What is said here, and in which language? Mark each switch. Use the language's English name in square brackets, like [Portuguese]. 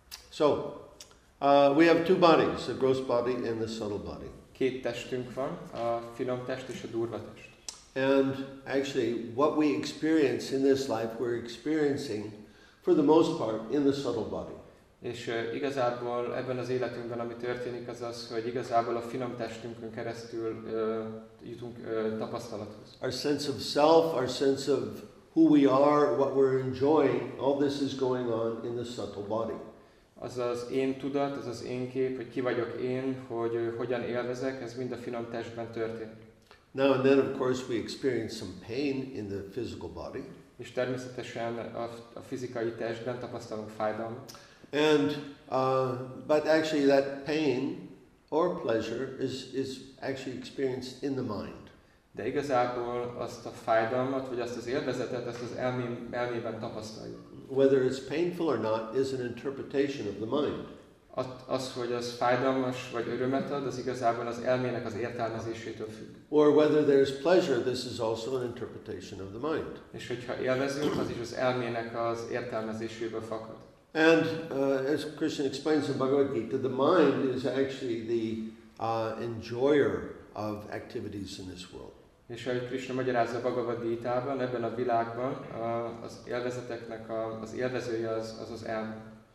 [English] So, we have two bodies, the gross body and the subtle body. [Hungarian] Két testünk van, a finom test és a durva test. [English] And actually, what we experience in this life, we're experiencing, for the most part, in the subtle body. [Hungarian] És igazából ebben az életünkben, ami történik, az az, hogy igazából a finom testünkön keresztül jutunk tapasztalathoz. [English] Our sense of self, our sense of who we are, what we're enjoying, all this is going on in the subtle body. [Hungarian] Azaz én tudat, azaz én kép, hogy ki vagyok én, hogy hogyan élvezek, ez mind a finom testben történik. [English] Now and then, of course, we experience some pain in the physical body. [Hungarian] És természetesen a fizikai testben tapasztalunk fájdalmat. [English] And but actually that pain or pleasure is actually experienced in the mind. [Hungarian] De igazából azt a fájdalmat vagy azt az élvezetet, ezt az elmében tapasztaljuk. [English] Whether it's painful or not is an interpretation of the mind. [Hungarian] Az, hogy az fájdalmas vagy örömet ad, az igazából az elmének az értelmezésétől függ. [English] Or whether there's pleasure, this is also an interpretation of the mind. [Hungarian] És hogyha élvezünk, az is az elmének az értelmezéséből fakad. [English] And as Krishna explains in Bhagavad Gita, the mind is actually the enjoyer of activities in this world. [Hungarian] És ahogy Krishna magyarázza Bhagavad Gita-ban, ebben a világban az élvezeteknek az élvezője az elme.